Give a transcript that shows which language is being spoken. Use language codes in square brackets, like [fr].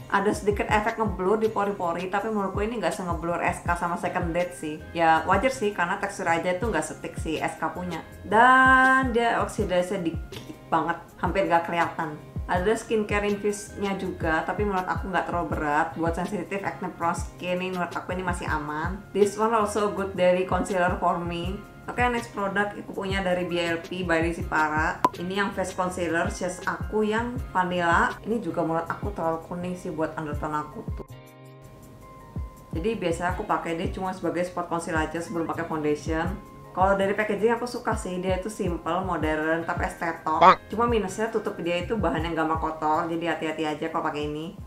[id] Ada sedikit efek ngeblur di pori-pori, tapi menurutku ini nggak se-ngeblur SK sama second date sih. Ya wajar sih, karena tekstur aja tuh nggak setik sih SK punya. Dan dia oksidasinya dikit banget, hampir nggak kelihatan. Ada skincare infuse-nya juga, tapi menurut aku nggak terlalu berat. Buat [en] sensitive acne prone skin, [id] ini menurut aku ini masih aman. [en] This one also good daily concealer for me. [id] Oke, [en] next product [id] aku punya dari BLP by Lizzy Para. Ini yang face concealer, shades aku yang vanilla. Ini juga menurut aku terlalu kuning sih buat undertone aku tuh. Jadi biasa aku pakai dia cuma sebagai spot concealer aja sebelum pakai foundation. Kalau dari packaging aku suka sih, dia itu simple, modern, tapi estetik. Cuma minusnya tutup dia itu bahan yang gampang kotor, jadi hati-hati aja kalau pakai ini.